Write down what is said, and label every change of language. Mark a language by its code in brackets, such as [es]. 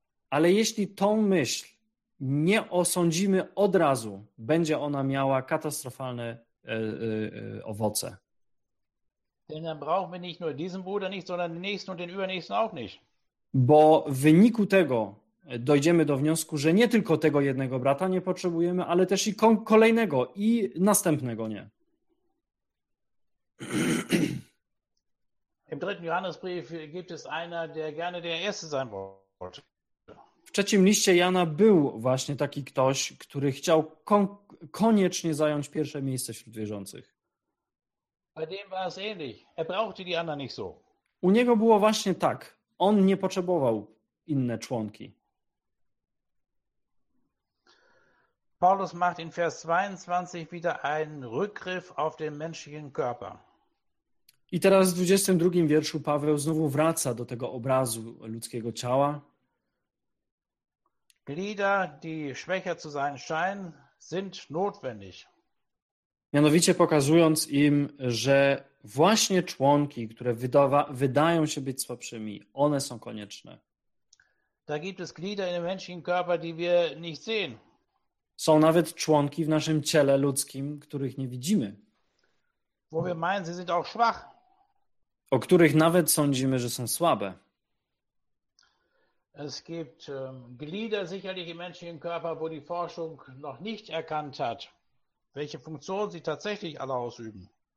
[pl] ale jeśli tą myśl, nie osądzimy od razu, będzie ona miała katastrofalne owoce. [de] Denn dann brauchen wir nicht nur diesen Bruder nicht, sondern den nächsten und den übernächsten auch nicht. [pl] Bo w wyniku tego dojdziemy do wniosku, że nie tylko tego jednego brata nie potrzebujemy, ale też i kolejnego i następnego nie. [de] Im dritten Johannesbrief gibt es einer, der gerne der erste sein wollte. [pl] W trzecim liście Jana był właśnie taki ktoś, który chciał koniecznie zająć pierwsze miejsce wśród wierzących. [de] Bei dem war es ähnlich. Er brauchte die anderen nicht so. [pl] U niego było właśnie tak. On nie potrzebował inne członki. [de] Paulus macht in Vers 22 wieder einen Rückgriff auf den menschlichen Körper. [pl] I teraz w 22 wierszu Paweł znowu wraca do tego obrazu ludzkiego ciała. [de] Glieder, die schwächer zu sein scheinen, sind notwendig. [pl] Mianowicie pokazując im, że właśnie członki, które wydają się być słabszymi, one są konieczne. [de] Da gibt es Glieder in dem menschlichen Körper, die wir nicht sehen. [pl] Są nawet członki w naszym ciele ludzkim, których nie widzimy. [de] Wo wir meinen, sie sind auch schwach. [pl] O których nawet sądzimy, że są słabe. [de] Es gibt Glieder sicherlich im menschlichen Körper, wo die Forschung noch nicht erkannt hat, welche Funktion sie tatsächlich alle ausüben.